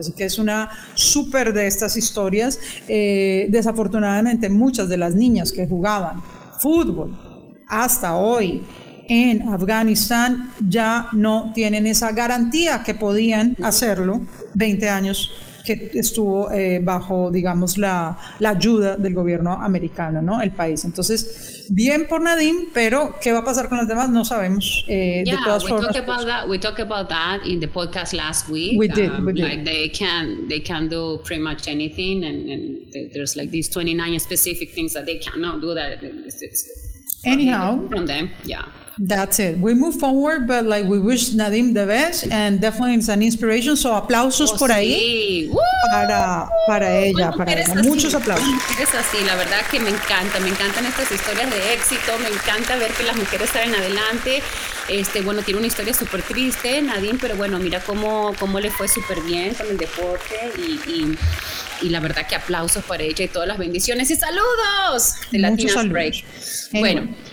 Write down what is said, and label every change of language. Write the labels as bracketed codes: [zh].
[es] Así que es una súper de estas historias. Desafortunadamente, muchas de las niñas que jugaban fútbol hasta hoy en Afganistán ya no tienen esa garantía que podían hacerlo 20 años que estuvo bajo, digamos, la ayuda del gobierno americano, ¿no? El país. Entonces, bien por Nadine, pero ¿qué va a pasar con las demás? No sabemos. De todas formas. [en] We talked about that in the podcast last week. We did. Like they can do pretty much anything, and there's like these 29 specific things that they cannot do that. Anyhow. From them, yeah. That's it. We move forward, but like we wish Nadine the best, and definitely it's an inspiration. [es] So aplausos por ahí. Para ella, bueno, para ella. Así. Muchos aplausos. Es así, la verdad que me encantan estas historias de éxito, me encanta ver que las mujeres salen adelante. Bueno, tiene una historia súper triste, Nadine, pero bueno, mira cómo le fue súper bien con el deporte, y la verdad que aplausos para ella y todas las bendiciones y saludos de Latinas Break. Bueno.